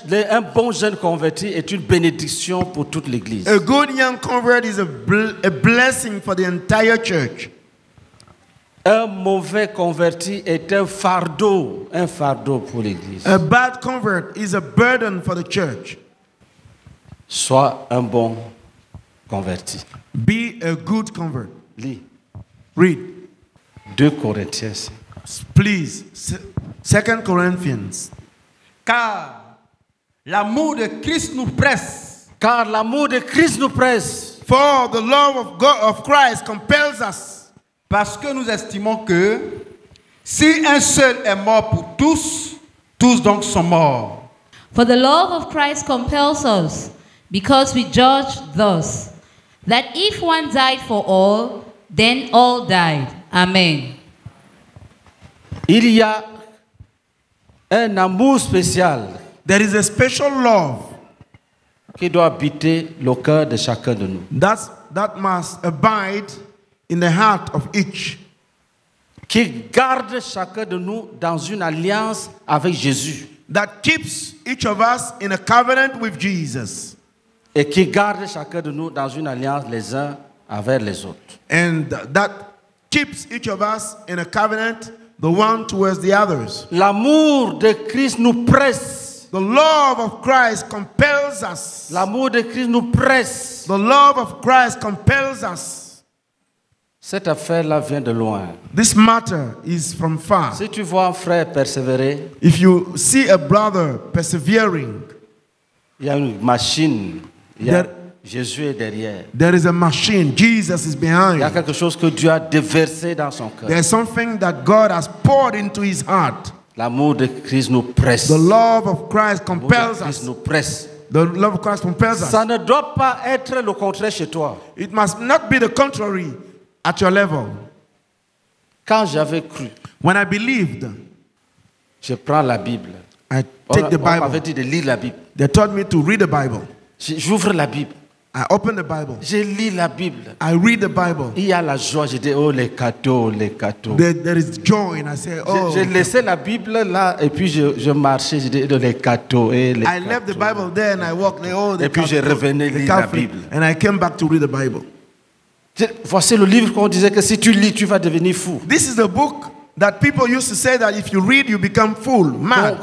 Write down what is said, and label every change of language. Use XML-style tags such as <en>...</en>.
<fr>Un bon jeune converti est une bénédiction pour toute l'église.</fr> <en>A good young convert is a blessing for the entire church.</en> <fr>Un mauvais converti est un fardeau pour l'église.</fr> <en>A bad convert is a burden for the church.</en> <fr>Sois un bon converti.</fr> <en>Be a good convert.</en> <fr>Lis.</fr> <en>Read.</en> <fr>2 Corinthiens.</fr> <en>Please. 2 Corinthians.</en> <fr>Car l'amour de Christ nous presse. Car l'amour de Christ nous presse.</fr> <en>For the love of God of Christ compels us.</en> <fr>Parce que nous estimons que si un seul est mort pour tous, tous donc sont morts.</fr> <en>For the love of Christ compels us, because we judge thus, that if one died for all, then all died. Amen.</en> <fr>Il y a un amour spécial.</fr> <en>There is a special love</en> <fr>qui doit habiter le cœur de chacun de nous.</fr> <en>That must abide in the heart of each,</en> <fr>qui garde chacun de nous dans une alliance avec Jésus,</fr> <en>that keeps each of us in a covenant with Jesus,</en> <fr>et qui garde chacun de nous dans une alliance les uns avec les autres,</fr> <en>and that keeps each of us in a covenant the one towards the others.</en> <fr>L'amour de Christ nous presse.</fr> <en>The love of Christ compels us.</en> <fr>L'amour de Christ nous presse.</fr> <en>The love of Christ compels us.</en> <fr>Cette affaire-là vient de loin.</fr> <en>This matter is from far.</en> <fr>Si tu vois un frère persévérer,</fr> <en>if you see a brother persevering,</en> <fr>il y a une machine. Jésus est derrière.</fr> <en>There is a machine. Jesus is behind.</en> <fr>Il y a quelque chose que Dieu a déversé dans son cœur.</fr> <en>There is something that God has poured into his heart.</en> <fr>L'amour de Christ nous presse.</fr> <en>The love of Christ compels us.</en> <fr>L'amour de Christ nous presse.</fr> <en>The love of Christ compels us.</en> <fr>Ça ne doit pas être le contraire chez toi.</fr> <en>It must not be the contrary. At your level,</en> <fr>quand j'avais cru,</fr> <en>when I believed,</en> <fr>je prends la Bible.</fr> <en>I take the Bible.</en> <fr>On m'avait dit de lire la Bible.</fr> <en>They taught me to read the Bible.</en> <fr>J'ouvre la Bible.</fr> <en>I open the Bible.</en> <fr>Je lis la Bible.</fr> <en>I read the Bible.</en> <fr>Il y a la joie. Je dis, oh les cadeaux, les cadeaux.</fr> <en>There is joy, and I say, oh.</en> <fr>Je laissais la Bible là, et puis je marchais. Je dis, oh les cadeaux, et les cadeaux.</fr> <en>I left the Bible there, and I walked.</en> <fr>Oh, les cadeaux. Et puis je revenais lire la Bible.</fr> <en>And I came back to read the Bible.</en> <fr>Voici le livre qu'on disait que si tu lis, tu vas devenir fou.</fr> <en>This is the book that people used to say that if you read, you become fool, mad.</en>